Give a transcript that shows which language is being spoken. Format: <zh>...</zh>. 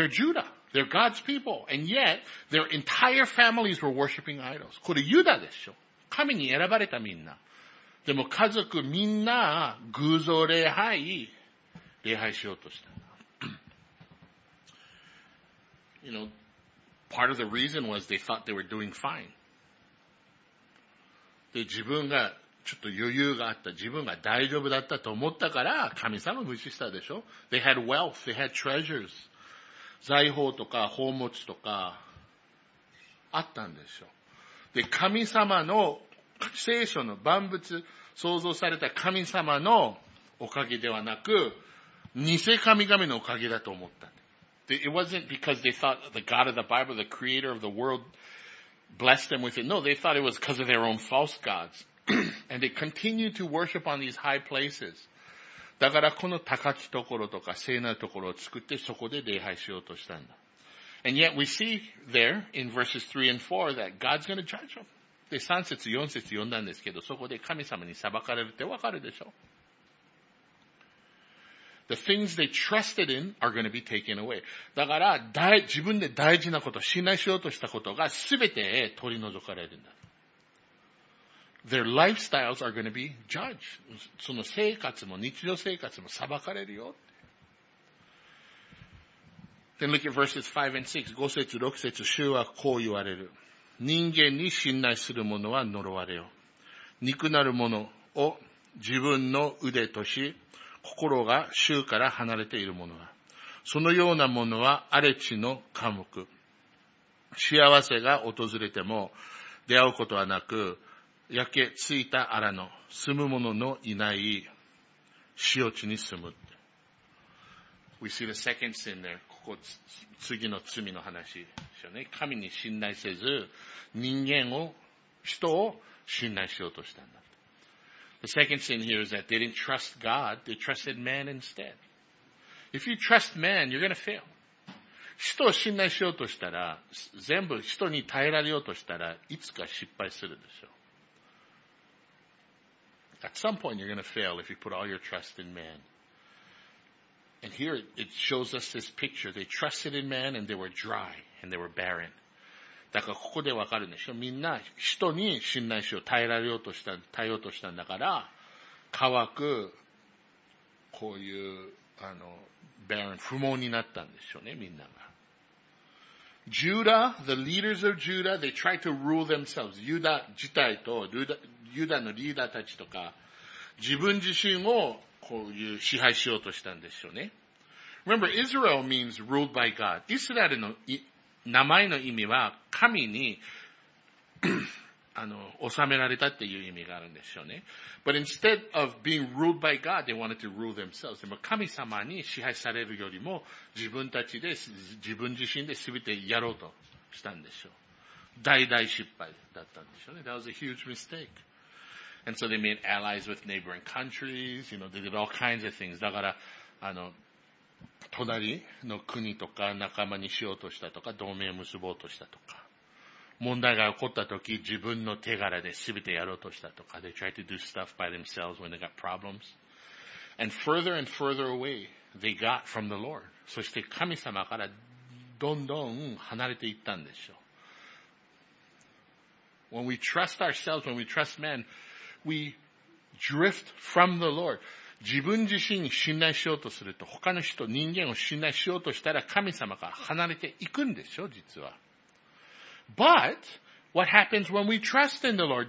<en>They're Judah. They're God's people. And yet, their entire families were worshiping idols.</en> <ja>これユダでしょ。神に選ばれたみんな。でも家族みんな偶像礼拝。礼拝しようとした。</ja> <en>You know, part of the reason was they thought they were doing fine.</en> <ja>で、自分がちょっと余裕があった、自分が大丈夫だったと思ったから、神様無視したでしょ</ja> <en>?They had wealth, they had treasures.</en> <ja>財宝とか宝物とか、あったんでしょ。で、神様の、聖書の万物、創造された神様のおかげではなく、偽神々のおかげだと思った。</ja> <en>It wasn't because they thought the God of the Bible, the creator of the world, blessed them with it. No, they thought it was because of their own false gods. And they continued to worship on these high places.</en> <ja>だからこの高きところとか聖なるところを作ってそこで礼拝しようとしたんだ。</ja> <en>And yet we see there in verses 3 and 4 that God's going to judge them.</en> <ja>で、3節4節読んだんですけど、そこで神様に裁かれるってわかるでしょ。</ja> <en>The things they trusted in are going to be taken away.</en> <ja>だから、自分で大事なこと、信頼しようとしたことが全て取り除かれるんだ。</ja> <en>Their lifestyles are going to be judged.</en> <ja>その生活も日常生活も裁かれるよ。</ja> <en>Then look at verses 5 and 6.</en> <ja>5節、6節、主はこう言われる。人間に信頼する者は呪われよ。憎なる者を自分の腕とし、心が主から離れている者は。そのような者は荒れ地の科目。幸せが訪れても出会うことはなく、焼けついた荒野、住む者のいない潮地に住む。</ja> <en>We see the second sin there.</en> <ja>ここ次の罪の話でしょうね。神に信頼せず、人を信頼しようとしたんだ。</ja> <en>The second sin here is that they didn't trust God, they trusted man instead. If you trust man, you're going to fail.</en> <ja>人を信頼しようとしたら、全部人に耐えられようとしたら、いつか失敗するでしょう。</ja> <en>At some point you're going to fail if you put all your trust in man. And here it shows us this picture. They trusted in man and they were dry and they were barren.</en> <ja>だからここでわかるんでしょ。みんな人に信頼しよう、耐えられようとした、耐えようとしたんだから、乾く、こういう、barren、不毛になったんでしょうね、みんなが。</ja> <en>Judah, the leaders of Judah, they tried to rule themselves.</en> <ja>ユダ自体と、ユダのリーダーたちとか、自分自身をこういう支配しようとしたんでしょうね。</ja> <en>Remember, Israel means ruled by God.</en> <ja>イスラエルの名前の意味は神に治められたっていう意味があるんでしょうね。</ja> <en>But instead of being ruled by God, they wanted to rule themselves.</en> <ja>でも神様に支配されるよりも自分たちで自分自身で全てやろうとしたんでしょう。大大失敗だったんでしょうね。</ja> <en>That was a huge mistake. And so they made allies with neighboring countries, you know, they did all kinds of things.</en> <ja>だから、隣の国とか仲間にしようとしたとか、同盟を結ぼうとしたとか。問題が起こった時、自分の手柄で全てやろうとしたとか。</ja> <en>They tried to do stuff by themselves when they got problems. And further away, they got from the Lord.</en> <ja>そして神様からどんどん離れていったんでしょう。</ja> <en>When we trust ourselves, when we trust men,We drift from the Lord.</en> <ja>自分自身に信頼しようとすると、他の人、人間を信頼しようとしたら、神様から離れていくんでしょ、実は。</ja> <en>But, what happens when we trust in the Lord?</en>